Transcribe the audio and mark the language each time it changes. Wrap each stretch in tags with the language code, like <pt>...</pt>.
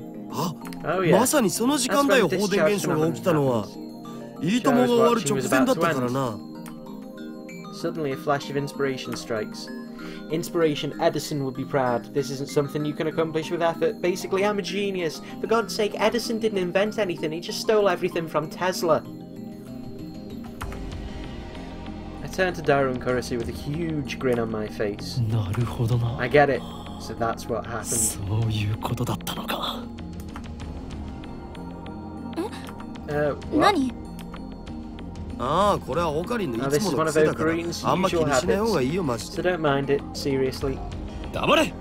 <en>Oh, yeah.</en> <ja>まさにその時間だよ放電現象が起きたのはいいともが終わる直前だったからな</ja> <en>Suddenly a flash of inspiration strikes Inspiration Edison would be proud This isn't something you can accomplish with effort Basically I'm a genius For God's sake Edison didn't invent anything He just stole everything from Tesla I turn to Daru and Kurisu with a huge grin on my face</en> <ja>なるほどな</ja> <en>I get it So that's what happened</en> <ja>そういうことだったのかなにああ、これはオカリンのいつもの癖だから、あんま気にしない方がいいよ、マジで。</ja> <en>So don't mind it, seriously.</en> <ja>黙れ</ja>